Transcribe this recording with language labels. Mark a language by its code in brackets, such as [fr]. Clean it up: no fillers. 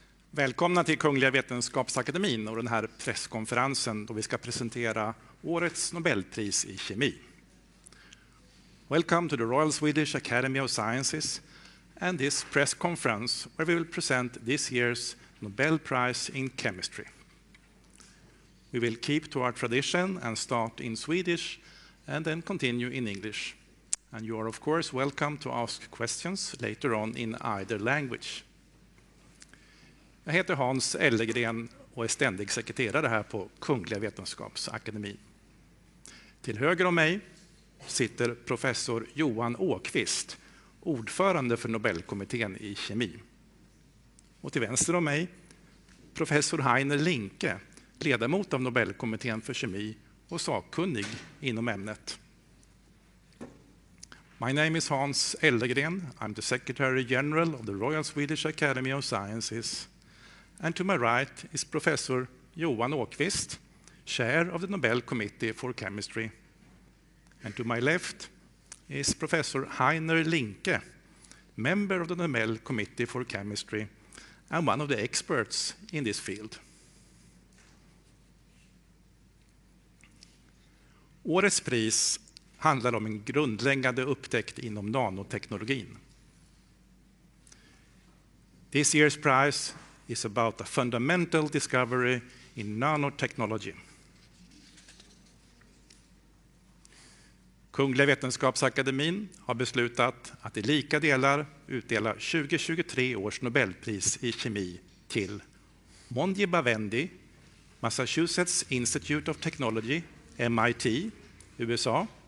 [sv] Välkomna till Kungliga Vetenskapsakademin och den här presskonferensen då vi ska presentera årets Nobelpris I kemi. [en] Welcome to the Royal Swedish Academy of Sciences and this press conference where we will present this year's Nobel Prize in Chemistry. We will keep to our tradition and start in Swedish and then continue in English. And you are of course welcome to ask questions later on in either language. [sv] Jag heter Hans Ellegren och är ständig sekreterare här på Kungliga Vetenskapsakademin. Till höger om mig sitter professor Johan Åkvist, ordförande för Nobelkommittén I kemi. Och till vänster om mig, professor Heiner Linke, ledamot av Nobelkommittén för kemi och sakkunnig inom ämnet. [en] My name is Hans Ellegren. I'm the Secretary General of the Royal Swedish Academy of Sciences. And to my right is Professor Johan Åkvist, Chair of the Nobel Committee for Chemistry. And to my left is Professor Heiner Linke, member of the Nobel Committee for Chemistry and one of the experts in this field. [sv] Årets pris handlar om en grundläggande upptäckt inom nanoteknologin. [en] This year's prize is about a fundamental discovery in nanotechnology. [sv] Kungliga Vetenskapsakademin har beslutat att I lika delar utdela 2023 års Nobelpris I kemi till Moungi Bawendi, Massachusetts Institute of Technology, MIT, USA,